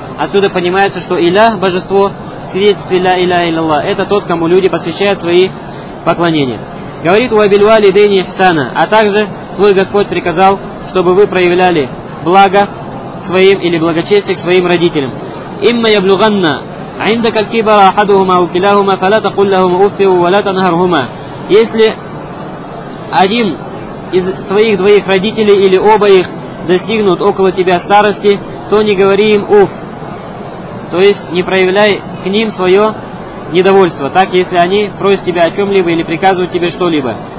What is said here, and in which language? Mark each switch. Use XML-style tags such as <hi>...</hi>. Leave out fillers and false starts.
<ru>Отсюда понимается, что «илля» – божество, свидетельство «илля илля илля» – это тот, кому люди посвящают свои поклонения. Говорит</ru> <ar>«уабильва лидени ихсана»,</ar> <ru>а также «твой Господь приказал, чтобы вы проявляли благо своим или благочестие к своим родителям».</ru> <ar>«Имма яблюганна عندك الكبر أحدهما أو كلاهما فلا تقل لهما أف ولا تنهرهما».</ar> <ru>Если один из твоих двоих родителей или оба их достигнут около тебя старости, то не говори им уф. То есть не проявляй к ним свое недовольство. Так, если они просят тебя о чем-либо или приказывают тебе что-либо.</ru>